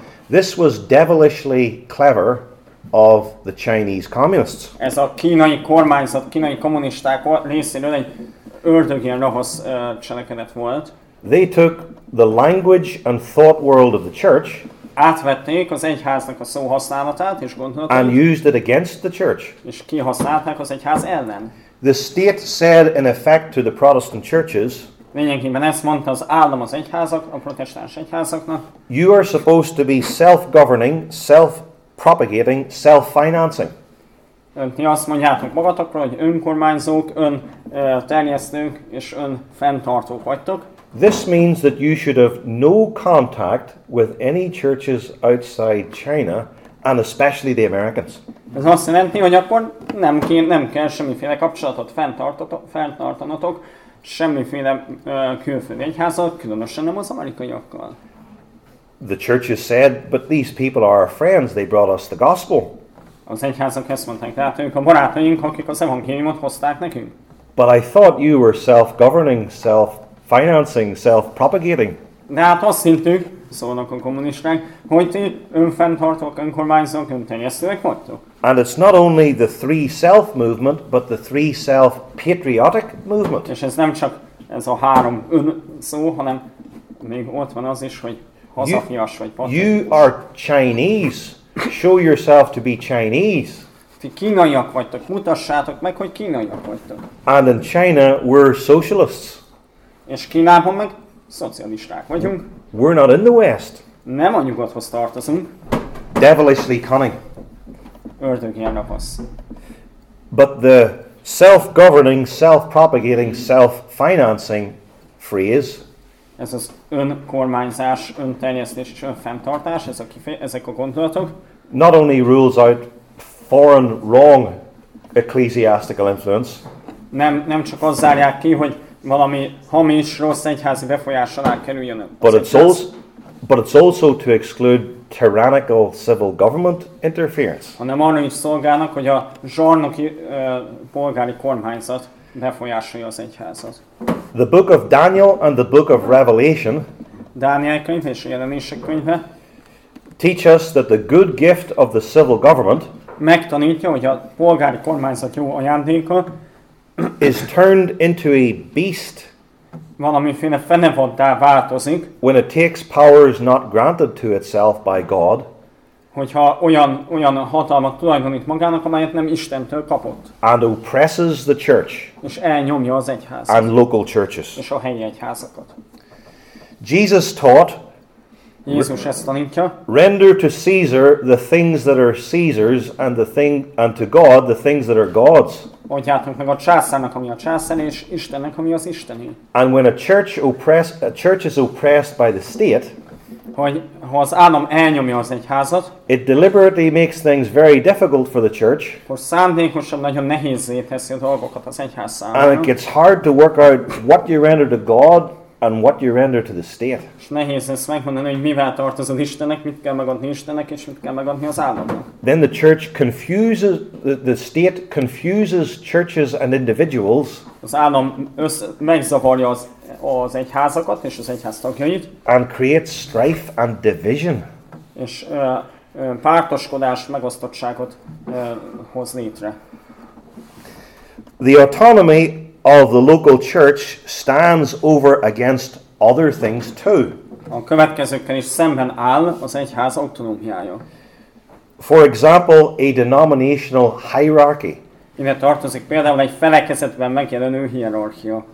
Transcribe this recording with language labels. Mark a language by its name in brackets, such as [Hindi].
[English] This was devilishly clever of the Chinese communists. [Hungarian] Ez a kínai kormányzat, kínai kommunisták részéről egy ördögilyen rahasz cselekedet volt. [English] They took the language and thought world of the church. [Hungarian] átvették az egyháznak a szóhasználatát és gondolatát. [English] And used it against the church. [Hungarian] És kihasználták az egyház ellen. [English] The state said in effect to the Protestant churches. [Hungarian] Lényegében ezt mondta az állam az egyházak, a protestáns egyházaknak. [English] You are supposed to be self-governing, self-propagating, self-financing. [Hungarian] Ti azt mondjátok magatokra, hogy önkormányzók, önterjesztők és önfenntartók vagytok. [English] This means that you should have no contact with any churches outside China, and especially the Americans. [Hungarian] Ez azt jelenti, hogy akkor nem kell semmiféle kapcsolatot fenntartanatok semmiféle külföldi egyházat, különösen nem az amerikaiakkal. [English] The churches said, but these people are our friends, they brought us the gospel. [Hungarian] Az egyházak ezt mondták, tehát ők a barátaink, akik az evangéliumot hozták nekünk. [English] But I thought you were self-governing, self-financing, self-propagating. [Hungarian] De hát azt hittük, szólnak a kommunisták, hogy ti önfenntartók, önkormányzók, önterjesztőek vagytok. [English] And it's not only the three self movement, but the three self patriotic movement. [Hungarian] És ez nem csak ez a három ön szó, hanem még ott van az is, hogy hazafias vagy patriotikus. [English] You are Chinese. Show yourself to be Chinese. [Hungarian] Ti kínaiak vagytok, mutassátok meg, hogy kínaiak vagytok. [English] And in China, we're socialists. [Hungarian] És Kínában meg szocialisták vagyunk. [English] We're not in the West. [Hungarian] Nem a nyugathoz tartozunk. [English] Devilishly cunning. [Hungarian] Ördögi elnapasz. [English] But the self-governing, self-propagating, self-financing phrase. [Hungarian] Ez az önkormányzás, önterjesztés és önfenntartás, ezek a gondolatok. [English] Not only rules out foreign wrong ecclesiastical influence. [Hungarian] Nem csak az zárják ki, hogy valami hamis, rossz egyházi befolyás alá kerüljön. [English] But it's also to exclude tyrannical civil government interference. [Hungarian] Hanem arra is szolgálnak, hogy a zsarnoki polgári kormányzat befolyásolja az egyházat. [English] The book of Daniel and the book of Revelation [Hungarian] Dániel könyv és a jelenések könyve [English] teach us that the good gift of the civil government [Hungarian] megtanítja, hogy a polgári kormányzat jó ajándéka [English] is turned into a beast [Hungarian] valamiféle fenevaddá változik [English] when it takes powers not granted to itself by God, [Hungarian] hogyha olyan hatalmat tulajdonít magának, amelyet nem Istentől kapott. [English] And oppresses the church. [Hungarian] És elnyomja az egyházat. [English] And local churches. [Hungarian] És a helyi egyházakat. [English] Jesus taught. [Hungarian] Jézus ezt tanítja. [English] Render to Caesar the things that are Caesar's and the thing and to God the things that are God's. [Hungarian] Adjátok meg a császárnak, ami a császár, és Istennek, ami az Istené. [English] And when a church is oppressed by the state, [Hungarian] ha az állam elnyomja az egyházat, [English] it deliberately makes things very difficult for the church. [Hungarian] Akkor szándékosan nagyon nehézé teszi a dolgokat az egyház számára. [English] And it gets hard to work out what you render to God and what you render to the state. [Hungarian] És nehéz ezt megmondani, hogy mivel tartozol Istennek, mit kell megadni Istennek, és mit kell megadni az államnak. [English] Then the church confuses, the state confuses churches and individuals. [Hungarian] Az állam megzavarja az egyházakat és az egyház tagjait. [English] And creates strife and division. [Hungarian] És pártoskodás, megosztottságot hoz létre. [English] The autonomy of the local church stands over against other things too. [Hungarian] A következőkkel is szemben áll az egyház autonómiája. [English] For example, a denominational hierarchy. [Hungarian] Ide tartozik például egy felekezetben megjelenő hierarchia.